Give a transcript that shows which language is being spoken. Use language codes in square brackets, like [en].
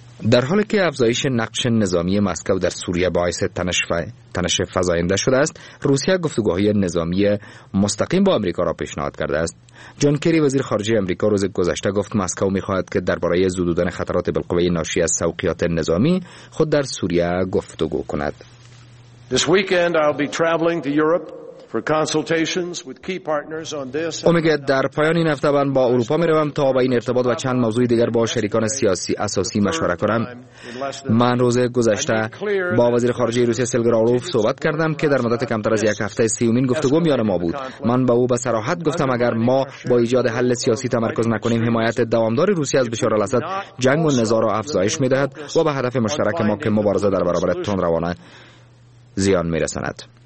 [fa] در حالی که افزایش نقش نظامی مسکو در سوریه باعث تنش فزاینده شده است، روسیه گفتگوهای نظامی مستقیم با آمریکا را پیشنهاد کرده است. جان کری وزیر خارجه آمریکا روز گذشته گفت مسکو می‌خواهد که درباره زدودن خطرات بالقوه ناشی از سوقیات نظامی خود در سوریه گفتگو کند. [en] This weekend I'll be traveling to Europe for consultations with key partners on this. [fa] اومگه در پایان این هفته من با اروپا میروم تا با این ارتباط و چند موضوع دیگر با شریکان سیاسی اساسی مشوره کنم. من روز گذشته با وزیر خارجه روسیه سلگراروف صحبت کردم که در مدت کمتر از یک هفته 30مین گفتگو میان ما بود. من به او به صراحت گفتم اگر ما با ایجاد حل سیاسی تمرکز نکنیم، حمایت دوامدار روسیه از بشار الاسد جنگ و نزاع را افزایش میدهد و به هدف مشترک ما که مبارزه در برابر تند روانه زیان میرساند.